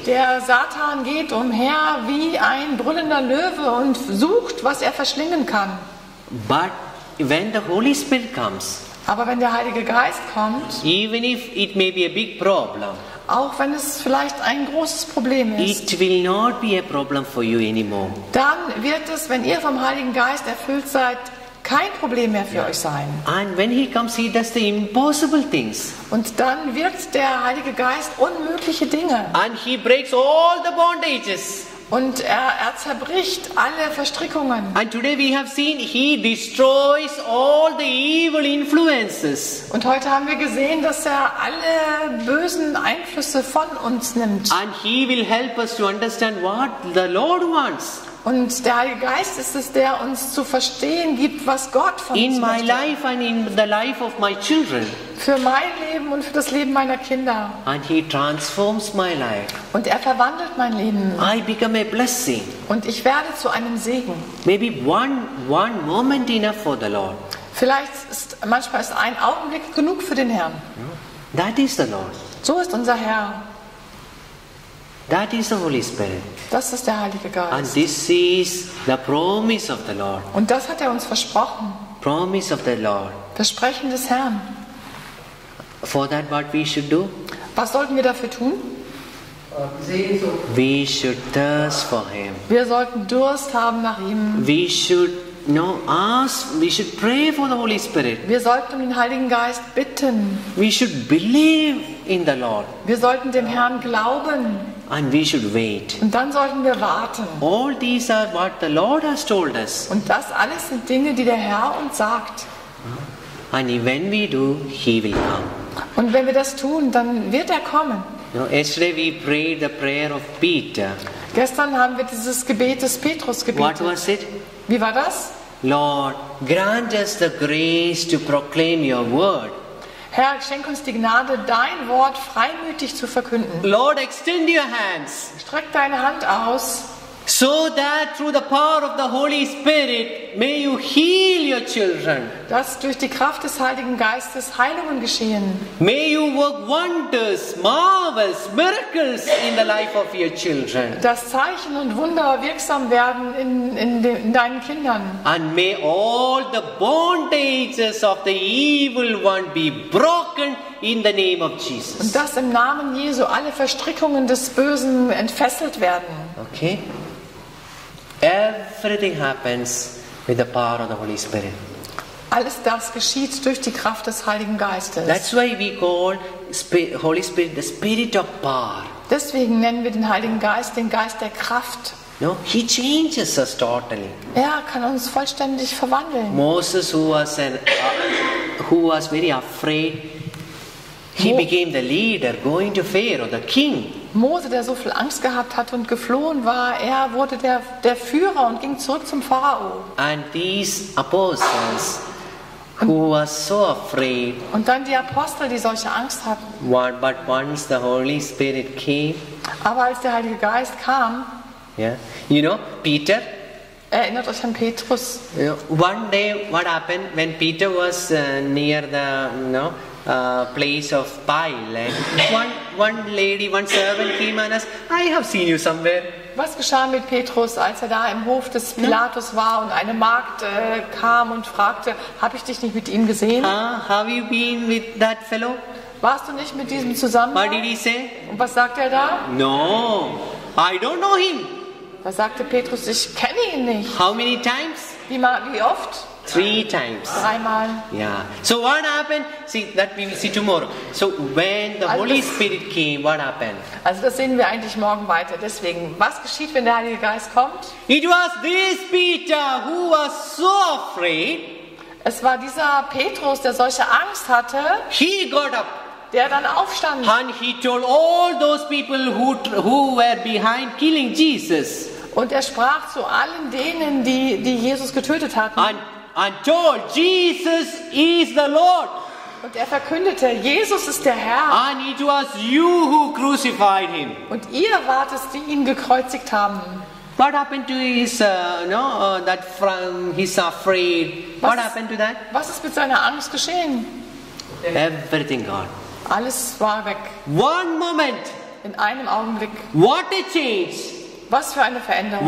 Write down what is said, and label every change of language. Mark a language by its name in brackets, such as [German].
[German] Der Satan geht umher wie ein brüllender Löwe und sucht, was er verschlingen kann. [English] But when the Holy Spirit comes. [German] Aber wenn der Heilige Geist kommt. [English] Even if it may be a big problem. [German] Auch wenn es vielleicht ein großes Problem ist. [English] It will not be a problem for you anymore. [German] Dann wird es, wenn ihr vom Heiligen Geist erfüllt seid, kein Problem mehr für euch sein. [English] And when he comes, he does the impossible things. [German] Und dann wirkt der Heilige Geist unmögliche Dinge. [English] And he breaks all the bondages. [German] Und er zerbricht alle Verstrickungen. [English] And today we have seen he destroys all the evil influences. [German] Und heute haben wir gesehen, dass er alle bösen Einflüsse von uns nimmt. [English] And he will help us to understand what the Lord wants. [German] Und der Heilige Geist ist es, der uns zu verstehen gibt, was Gott von uns [English] in my [German] möchte. [English] Life and in the life of my children. [German] Für mein Leben und für das Leben meiner Kinder. [English] And he transforms my life. [German] Und er verwandelt mein Leben. [English] I become a blessing. [German] Und ich werde zu einem Segen. [English] Maybe one moment enough for the Lord. [German] Vielleicht ist manchmal ist ein Augenblick genug für den Herrn. [English] That is the Lord. [German] So ist unser Herr. [English] That is the Holy Spirit. [German] Das ist der Heilige Geist. [English] And this is the promise of the Lord. [German] Und das hat er uns versprochen. [English] Promise of the Lord. [German] Versprechen des Herrn. [English] For that, what we should do? [German] Was sollten wir dafür tun? [English] We should thirst for him. [German] Wir sollten Durst haben nach ihm. [English] We should pray for the Holy Spirit. [German] Wir sollten um den Heiligen Geist bitten. [English] We should believe in the Lord. [German] Wir sollten dem Herrn glauben. [English] And we should wait. [German] Und dann sollten wir warten. [English] All these are what the Lord has told us. [German] Und das alles sind Dinge, die der Herr uns sagt. [English] And when we do, he will come. [German] Und wenn wir das tun, dann wird er kommen. [English] You know, yesterday we prayed the prayer of Peter. [German] Gestern haben wir dieses Gebet des Petrus gebetet. [English] What was it? [German] Wie war das? [English] Lord, grant us the grace to proclaim your word. [German] Herr, schenk uns die Gnade, dein Wort freimütig zu verkünden. [English] Lord, extend your hands. [German] Streck deine Hand aus. [English] So that through the power of the Holy Spirit may you heal your children. [German] Dass durch die Kraft des Heiligen Geistes Heilungen geschehen. [English] May you work wonders, marvels, miracles in the life of your children. [German] Dass Zeichen und Wunder wirksam werden in deinen Kindern. [English] And may all the bondages of the evil one be broken in the name of Jesus. [German] Und dass im Namen Jesu alle Verstrickungen des Bösen entfesselt werden. [English] Okay. Everything happens with the power of the Holy Spirit. [German] Alles das geschieht durch die Kraft des Heiligen Geistes. [English] That's why we call Holy Spirit the Spirit of Power. [German] Deswegen nennen wir den Heiligen Geist den Geist der Kraft. [English] No, he changes us totally. [German] Er kann uns vollständig verwandeln. [English] Moses, who was very afraid, he became the leader, going to Pharaoh, the king. [German] Mose, der so viel Angst gehabt hat und geflohen war, er wurde der Führer und ging zurück zum Pharao. [English] And these apostles, who were so afraid. [German] Und dann die Apostel, die solche Angst hatten. [English] But once the Holy Spirit came. [German] Aber als der Heilige Geist kam. [English] Yeah. You know, Peter. [German] Erinnert euch an Petrus. [English] One day, what happened when Peter was near the, place of Pilate. One lady, one servant came and asked, I have seen you somewhere. [German] Was geschah mit Petrus, als er da im Hof des Pilatus war und eine Magd kam und fragte, habe ich dich nicht mit ihm gesehen? [English] Have you been with that fellow? [German] Warst du nicht mit diesem zusammen? [English] What did he say? [German] Und was sagt er da? [English] No. I don't know him. [German] Da sagte Petrus, ich kenne ihn nicht. [English] How many times? [German] Wie oft? [English] Three times. [German] Dreimal. [English] Yeah. So what happened? See, that we will see tomorrow. So when the Holy Spirit came, what happened? [German] Also das sehen wir eigentlich morgen weiter. Deswegen, was geschieht, wenn der Heilige Geist kommt? [English] It was this Peter who was so afraid. [German] Es war dieser Petrus, der solche Angst hatte. [English] He got up. [German] Der dann aufstand. [English] And he told all those people who were behind killing Jesus. [German] Und er sprach zu allen denen, die Jesus getötet hatten. [English] And told Jesus is the Lord. [German] Und er verkündete, Jesus ist der Herr. [English] And it was you who crucified him. [German] Und ihr wart es, die ihn gekreuzigt haben. [English] What happened to his that from he's afraid? What happened to that? [German] Was ist mit seiner Angst geschehen? [English] Everything gone. [German] Alles war weg. [English] One moment. [German] In einem Augenblick. [English] What a change. [German] Was für eine Veränderung.